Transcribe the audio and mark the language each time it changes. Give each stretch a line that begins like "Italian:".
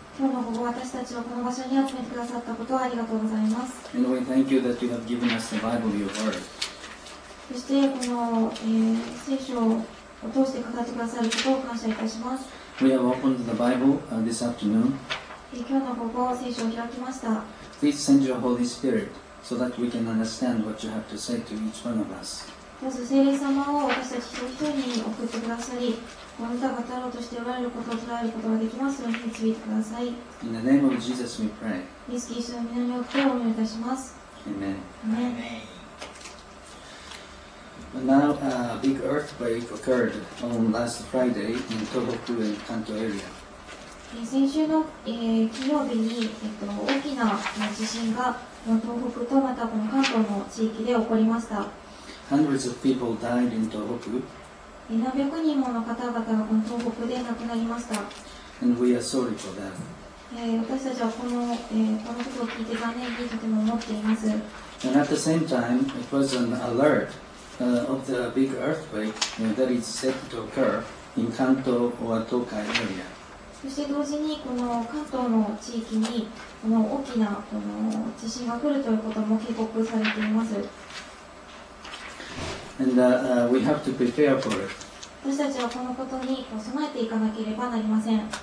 Japanese: 今日の午後、私たちをこの場所に集めてくださったことをありがとうございます。
English: And we thank you that you have given us the Bible, your word.
Japanese: そしてこの、聖書を通して語ってくださることを感謝いたします。
English: We have opened the Bible, this afternoon.
Japanese: 今日の午後、聖書を開きました。
English: Please send your Holy Spirit so that we can understand what you have to say to each one of us.
Japanese: まず聖霊様を私たち一人一人に送ってくださり、あなたが語ろうとしておられることを捉えることができますように導いてください。
English: In the name of Jesus, we pray.
Japanese: イエス・キリストの名によってお祈りいたします。
English: Amen. Amen. Now, a big earthquake occurred on last Friday in Tohoku and Kanto area.
Japanese: 先週の、金曜日に、大きな地震が東北とまたこの関東の地域で起こりました。
English: Hundreds of people died in 東北。
Japanese: 何百人もの方々がこの東北で亡くなりました。
English: And we are sorry for that.
Japanese: 私たちはこのことを聞いて残念にとても思っています。
English: And at the same time, it was an alert, of the big earthquake, that is set to occur in 関東 or 東海 area.
Japanese: そして同時にこの関東の地域にこの大きなこの地震が来るということも警告されています。
English: And, we have to prepare for it.
Japanese: 私たちはこのことに備えていかなければなりません。